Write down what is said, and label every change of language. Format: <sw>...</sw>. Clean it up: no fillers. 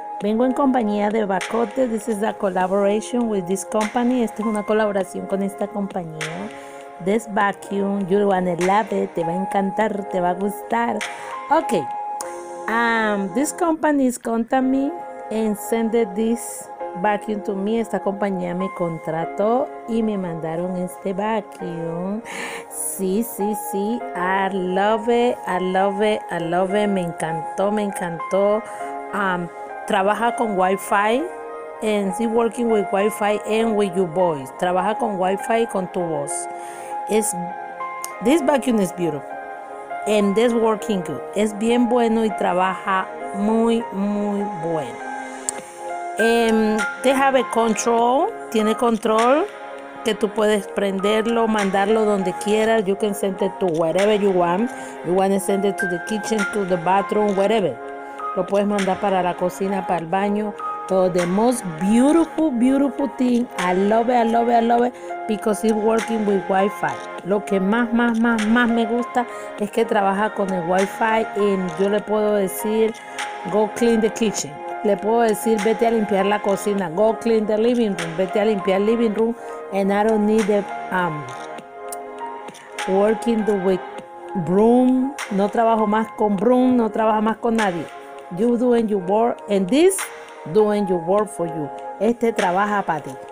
<es>Vengo en compañía de Bacote.</es> <en>This is a collaboration with this company.</en> <es>Esta es una colaboración con esta compañía.</es> <en>This vacuum, you're gonna love it.</en> <es>Te va a encantar, te va a gustar. Okay.</es> <en>This company is contacting me and sended this vacuum to me.</en> <es>Esta compañía me contrató y me mandaron este vacuum.</es> <en>Sí. I love it.</en> <es>Me encantó. Trabaja con Wi-Fi</es> <en>and see working with Wi-Fi and with your voice.</en> <es>Trabaja con Wi-Fi con tu voz.</es> <en>This vacuum is beautiful and this working good.</en> <es>Es bien bueno y trabaja muy, muy bueno.</es> <en>They have a control.</en> <es>Tiene control que tú puedes prenderlo, mandarlo donde quieras.</es> <en>You can send it to wherever you want. You want to send it to the kitchen, to the bathroom, whatever.</en> <es>Lo puedes mandar para la cocina, para el baño.</es> <en>So the most beautiful, beautiful thing. I love it. Because it's working with Wi-Fi.</en> <es>Lo que más me gusta es que trabaja con el Wi-Fi. Y yo le puedo decir,</es> <en>go clean the kitchen.</en> <es>Le puedo decir, vete a limpiar la cocina.</es> <en>Go clean the living room.</en> <es>Vete a limpiar el living room.</es> <en>And I don't need the working the broom.</en> <es>No trabajo más con broom. No trabajo más con nadie.</es> <en>You doing your work. And this doing your work for you.</en> <es>Este trabaja para ti.</es>